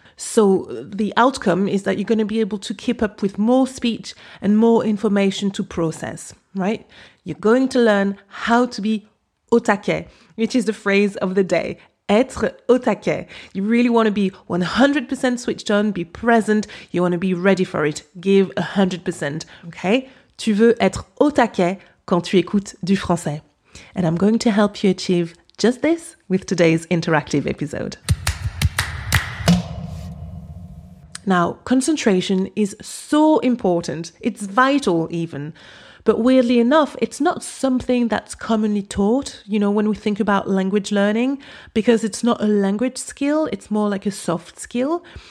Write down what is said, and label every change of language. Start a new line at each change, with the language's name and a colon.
English: So the outcome is that you're going to be able to keep up with more speech and more information to process, right? You're going to learn how to be
French: au taquet,
English: which is the phrase of the day.
French: Être au taquet.
English: You really want to be 100% switched on, be present, you want to be ready for it. Give 100%, okay?
French: Tu veux être au taquet quand tu écoutes du français.
English: And I'm going to help you achieve just this with today's interactive episode. Now, concentration is so important. It's vital even. But weirdly enough, it's not something that's commonly taught, you know, when we think about language learning, because it's not a language skill, it's more like a soft skill.